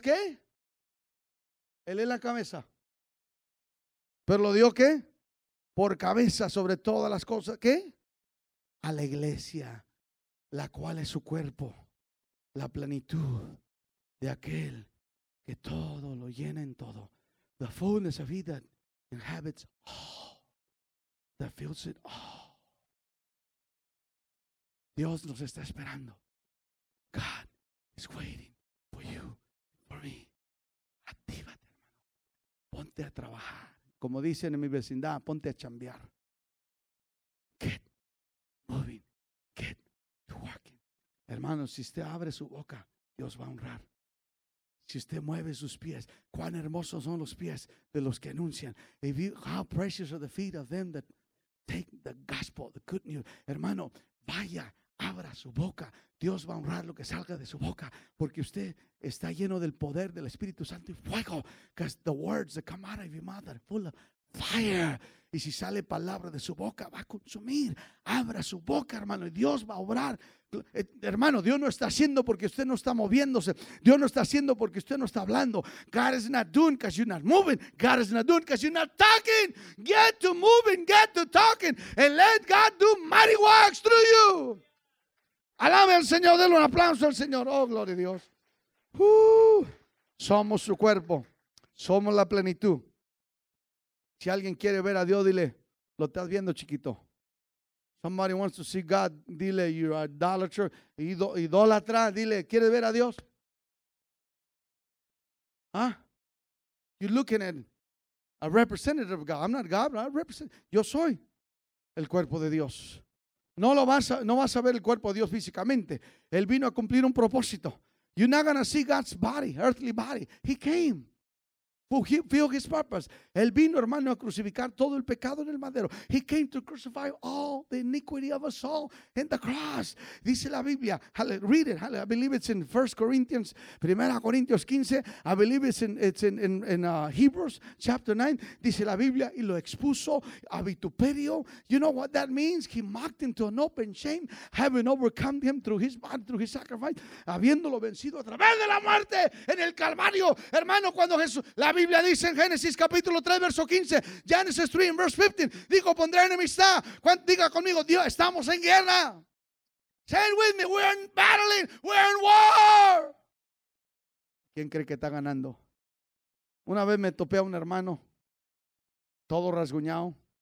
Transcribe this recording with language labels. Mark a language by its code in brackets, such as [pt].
[es] ¿Qué? Él es la cabeza. Pero lo dio, ¿qué? Por cabeza sobre todas las cosas. ¿Qué? A la iglesia. La cual es su cuerpo, la plenitud de aquel que todo lo llena en todo. [en] The fullness of he that inhabits all, that fills it all. [es] Dios nos está esperando. [en] God is waiting for you, for me. [es] Actívate, hermano. Ponte a trabajar. Como dicen en mi vecindad, ponte a chambear. [en] Get moving. Get walking. [es] Hermanos, si usted abre su boca, Dios va a honrar. Si usted mueve sus pies, cuán hermosos son los pies de los que anuncian. [en] If you, how precious are the feet of them that take the gospel, the good news. [es] Hermano, vaya, abra su boca. Dios va a honrar lo que salga de su boca, porque usted está lleno del poder del Espíritu Santo y fuego. [en] Because the words that come out of your mouth are full of fire. [es] Y si sale palabra de su boca, va a consumir. Abra su boca, hermano, y Dios va a obrar. Hermano, Dios no está haciendo porque usted no está moviéndose. Dios no está haciendo porque usted no está hablando. [en] God is not doing because you're not moving. God is not doing because you're not talking. Get to moving, get to talking. And let God do mighty works through you. [es] Alabe al Señor, denle un aplauso al Señor. Oh, gloria a Dios. Somos su cuerpo. Somos la plenitud. Si alguien quiere ver a Dios, dile, lo estás viendo chiquito. [en] Somebody wants to see God, dile, you're idolatry, [es] idólatra, dile, ¿quieres ver a Dios? [en] ¿Ah? You're looking at a representative of God. I'm not God, but I represent. [es] Yo soy el cuerpo de Dios. No vas a ver el cuerpo de Dios físicamente. Él vino a cumplir un propósito. [en] You're not going to see God's body, earthly body. He came. Fulfill his purpose. [es] Él vino, hermano, a crucificar todo el pecado en el madero. [en] He came to crucify all the iniquity of us all in the cross. [es] Dice la Biblia. [en] Read it. I believe it's in 1 Corinthians, 1 Corintios 15. I believe it's in Hebrews chapter 9. [es] Dice la Biblia y lo expuso a vituperio. [en] You know what that means? He mocked him to an open shame, having overcome him through his body, through his sacrifice, [es] habiéndolo vencido a través de la muerte en el Calvario. Hermano, cuando Jesús. La Biblia dice en Génesis capítulo 3 verso 15, [en] Genesis 3 and verse 15, [es] digo pondré enemistad, diga conmigo, Dios, estamos en guerra. [en] Say it with me, we're in battling, we're in war. [es] ¿Quién cree que está ganando? Una vez me topé a un hermano, todo rasguñado.